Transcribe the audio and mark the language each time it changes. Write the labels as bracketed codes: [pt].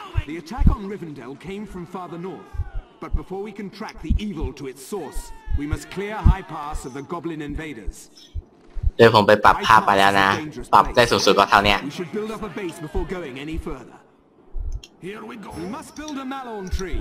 [en] The attack on Rivendell came from farther north, but before we can track the evil to its source, we must clear High Pass of the goblin invaders. [th] เดี๋ยวผมไปปรับภาพไปแล้วนะปรับได้สูงสุดก็เท่านี้ [en] build up a base before going any further. Here we go. We must build a Malon tree.